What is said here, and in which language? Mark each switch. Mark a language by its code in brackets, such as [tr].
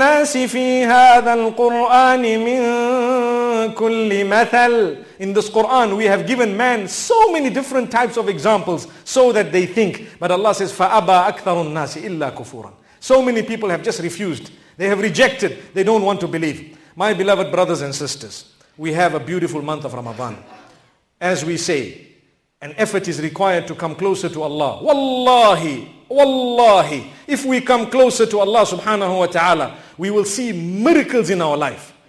[ar] الناس في هذا القرآن من كل مثل. [en] In this Quran, we have given man so many different types of examples so that they think. But Allah says, [ar] فَأَبَى أَكْثَرُ النَّاسِ إِلَّا كُفُورًا. [en] So many people have just refused. They have rejected. They don't want to believe. My beloved brothers and sisters, we have a beautiful month of Ramadan. As we say, an effort is required to come closer to Allah. Wallahi, wallahi, if we come closer to Allah subhanahu wa ta'ala, we will see miracles in our life.